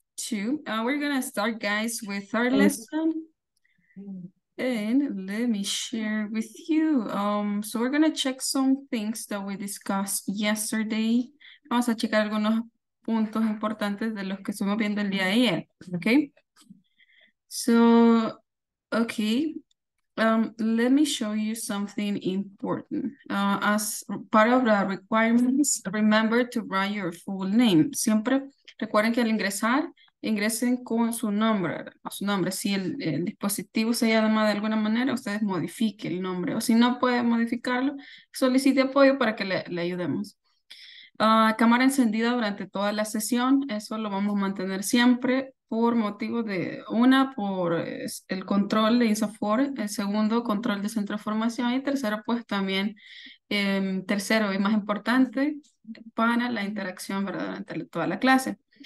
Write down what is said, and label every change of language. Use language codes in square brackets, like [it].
[en] We're gonna start, guys, with our lesson, and let me share with you. So we're gonna check some things that we discussed yesterday. [es] Vamos a checar algunos puntos importantes de los que estuvimos viendo el día de ayer. [en] Okay. So, okay. Let me show you something important. As part of the requirements, remember to write your full name. [es] Siempre recuerden que al ingresar ingresen con su nombre, si el dispositivo se llama de alguna manera, ustedes modifiquen el nombre, o si no pueden modificarlo, solicite apoyo para que le ayudemos. Cámara encendida durante toda la sesión, eso lo vamos a mantener siempre por motivo de, una, por el control de INSAFOR, el segundo, control de centro de formación, y tercero, pues también, tercero y más importante, para la interacción, ¿verdad?, durante toda la clase.